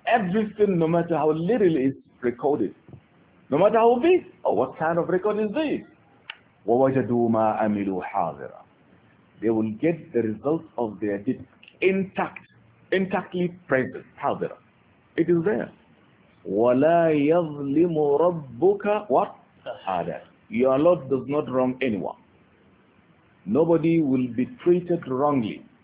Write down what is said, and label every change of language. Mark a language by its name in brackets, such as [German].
[English] Everything, no matter how little, is recorded. No matter how big, oh, what kind of record is this? [Arabic] وَوَجَدُوا مَا أَمِلُوا حَاضِرًا. [English] They will get the results of their deed intact, intactly present, [Arabic] حَاضِرًا. [English] It is there. [Arabic] وَلَا يَظْلِمُ رَبُّكَ [English] what? [Arabic] أَحَدًا. [English] Your Lord does not wrong anyone. Nobody will be treated wrongly.